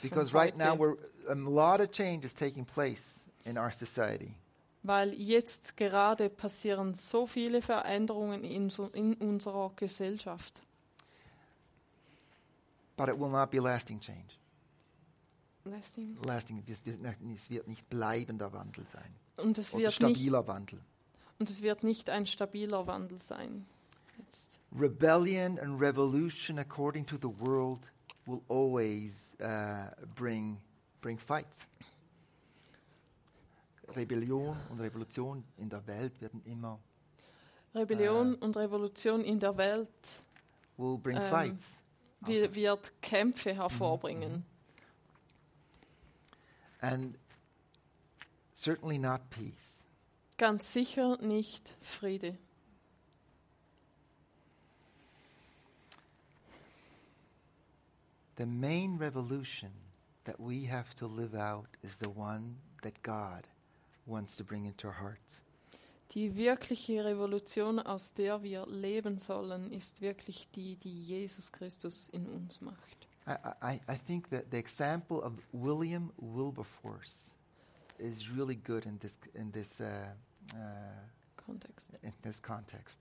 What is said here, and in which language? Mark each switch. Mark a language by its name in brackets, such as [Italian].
[English] Because right now a lot of change is taking place in our society. [German] Weil jetzt gerade passieren so viele Veränderungen in unserer Gesellschaft. [English] But it will not be lasting change. Lasting. [German] Es wird nicht bleibender Wandel sein. Und es wird stabiler Wandel. Und es wird nicht ein stabiler Wandel sein. Jetzt. [English] Rebellion and revolution according to the world will always bring fights. [German] Rebellion und Revolution in der Welt werden immer. Rebellion und Revolution in der Welt [English] will bring fights. [German] Wird Kämpfe hervorbringen. Mm-hmm. [English] And certainly not peace. [German] Ganz sicher nicht Friede. [English] The main revolution that we have to live out is the one that God wants to bring into our hearts. [German] Die wirkliche Revolution, aus der wir leben sollen, ist wirklich die Jesus Christus in uns macht. [English] I think that the example of William Wilberforce is really good in this context.